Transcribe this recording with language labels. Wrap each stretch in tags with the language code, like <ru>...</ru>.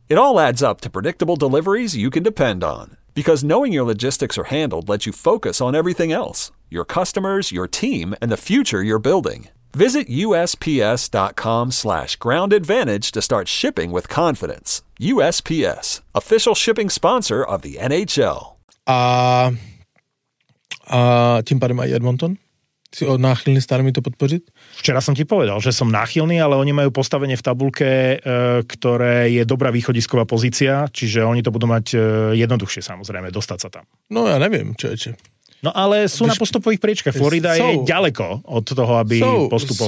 <en>It all adds up to predictable deliveries you can depend on. Because knowing your logistics are handled lets you focus on everything else. Your customers, your team, and the future you're building. Visit usps.com/groundadvantage to start shipping with confidence. USPS, official shipping sponsor of the NHL.</en> <sk>A tým pádem aj Edmonton? Si náchylný</sk> <cs>starými to podpořit?</cs> <sk>Včera som ti povedal, že som náchylný, ale oni majú postavenie v tabulke, ktoré je dobrá východisková pozícia, čiže oni to budú mať jednoduchšie samozrejme, dostať sa tam. No ja neviem, čo. No ale sú na postupových priečkach. Florida je ďaleko od toho, aby postupovala.</sk>